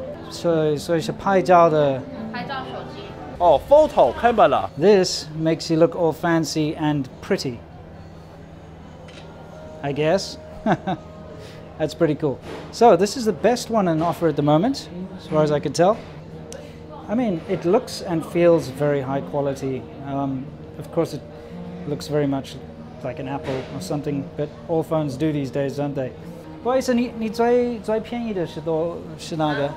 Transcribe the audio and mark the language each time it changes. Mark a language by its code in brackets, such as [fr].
[zh] 这个的OPPO的话就主导拍照。所以是拍照的? 拍照手机。 [en] Photo camera. This makes you look all fancy and pretty, I guess. That's pretty cool. So this is the best one on offer at the moment, as far as I could tell. I mean, it looks and feels very high quality. Of course, it looks very much like an Apple or something, but all phones do these days, don't they? [zh] 不好意思,你最便宜的是哪个?